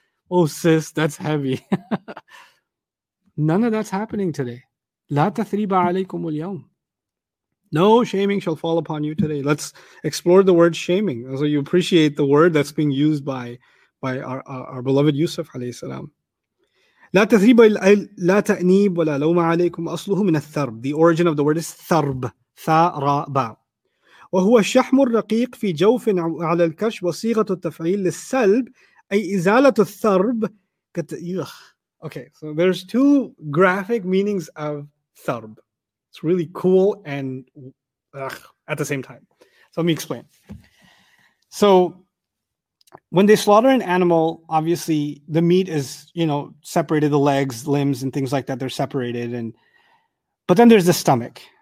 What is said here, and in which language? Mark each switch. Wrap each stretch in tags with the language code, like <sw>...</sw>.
<en>Oh, sis, that's heavy. None of that's happening today.</en> <ar>لا تثريب عليكم اليوم.</ar> <en>No shaming shall fall upon you today. Let's explore the word shaming. So you appreciate the word that's being used by our beloved Yusuf alayhi salam.</en> <ar>لا تثريب لا تأنيب ولا لوم عليكم أصله من الثرب.</ar> <en>The origin of the word is ثرب.</en> <ar>ثرب. وهو الشحم الرقيق في جوف على الكش وصيغة التفعيل للسلب أي إزالة الثرب.</ar> <en>Okay, so there's two graphic meanings of ثرب. It's really cool and at the same time. So let me explain. So when they slaughter an animal, obviously the meat is, you know, separated, the legs, limbs, and things like that, they're separated. But then there's the stomach.</en>